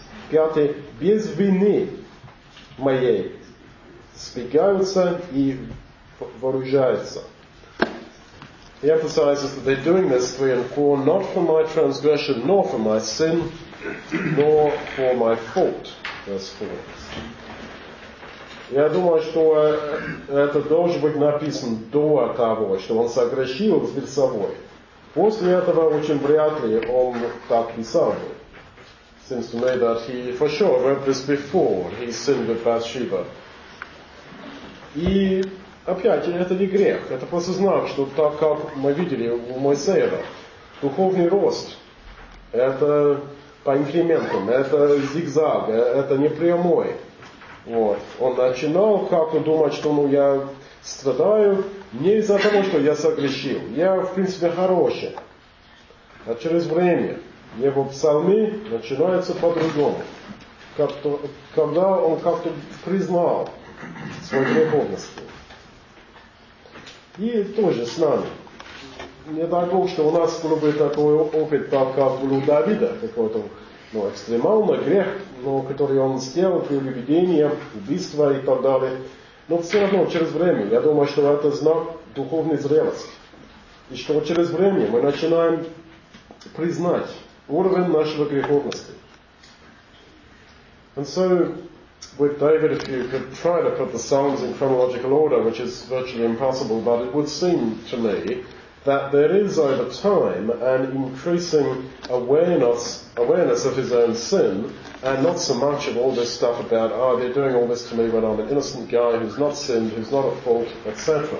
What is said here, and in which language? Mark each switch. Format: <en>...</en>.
<ru>Пятый, без вины моей сбегаются и вооружаются.</ru> <en>He emphasizes that they're doing this, 3 and 4, not for my transgression, nor for my sin, nor for my fault, verse 4.</en> <ru>Я думаю, что это должно быть написано до того, что он согрешил перед собой. После этого очень вряд ли он так писал бы.</ru> <en>Seems to me that he, for sure, wrote this before he sinned with Bathsheba.</en> <ru>И опять, это не грех, это просто знак, что так, как мы видели у Моисеева, духовный рост, это по инкрементам, это зигзаг, это не прямой. Вот. Он начинал как-то думать, что ну, я страдаю не из-за того, что я согрешил. Я, в принципе, хороший. А через время его псалмы начинаются по-другому. Как-то, когда он как-то признал свою греховность. И тоже с нами. Не дай Бог, что у нас был бы такой опыт, так как был у Давида, какой-то ну, экстремальный грех, ну, который он сделал, привидение, убийство и так далее. Но все равно через время, я думаю, что это знак духовной зрелости. И что через время мы начинаем признать уровень нашего греховности.</ru> <en>And so, with David, if you could try to put the Psalms in chronological order, which is virtually impossible, but it would seem to me that there is, over time, an increasing awareness of his own sin, and not so much of all this stuff about, oh, they're doing all this to me when I'm an innocent guy who's not sinned, who's not at fault, etc.</en>